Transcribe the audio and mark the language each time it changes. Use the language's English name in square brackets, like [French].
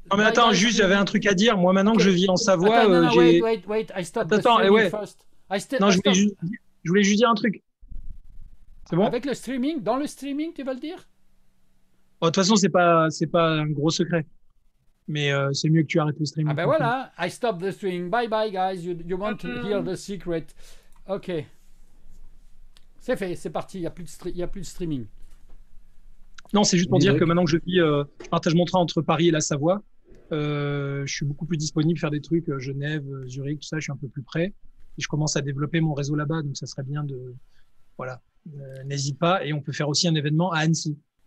[French] Non mais attends, juste j'avais un truc à dire. Moi maintenant que je vis en Savoie, [English] Wait. I stop the streaming first. [French] Je voulais juste dire un truc. C'est bon. Avec le streaming, dans le streaming, tu veux le dire? De toute façon, c'est pas un gros secret. Mais c'est mieux que tu arrêtes le stream. Ah ben voilà, [English] I stop the stream. Bye bye guys, you want to hear the secret. Ok. [French] C'est fait, c'est parti, il n'y a plus de streaming. Non, c'est juste pour dire que maintenant que je vis, partage mon train entre Paris et la Savoie, je suis beaucoup plus disponible pour faire des trucs, Genève, Zurich, tout ça, je suis un peu plus près. Et je commence à développer mon réseau là-bas, donc ça serait bien de... Voilà, n'hésite pas, et on peut faire aussi un événement à Annecy.